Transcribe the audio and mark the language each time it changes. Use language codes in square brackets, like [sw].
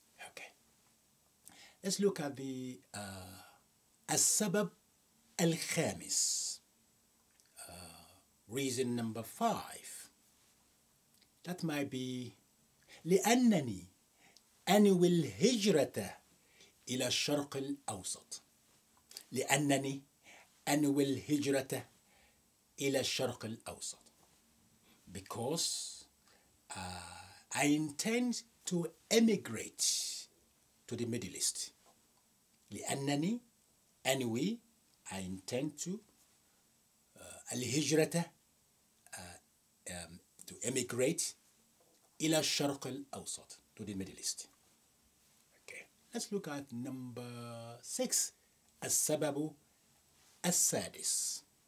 [en] Okay. Let's look at the [ar] السبب الخامس, [en] reason number five. That might be [ar] لأنني أنوي الهجرة إلى الشرق الأوسط. لأنني أنوي الهجرة إلى الشرق الأوسط. [en] Because I intend to emigrate to the Middle East. [ar] لأنني أنوي, [en] I intend to [ar] الهجرة [en] to emigrate [ar] إلى الشرق الأوسط, [en] to the Middle East. Okay. Let's look at number 6. [ar] السبب السادس.